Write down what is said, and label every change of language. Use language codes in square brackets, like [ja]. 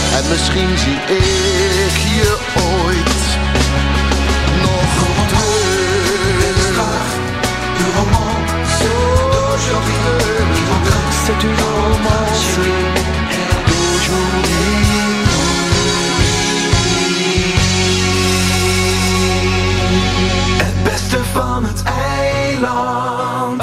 [nl] Misschien zie ik je ooit nog terug. [fr] Du roman d'aujourd'hui. C'est une romance d'aujourd'hui. [nl] Het beste van het eiland.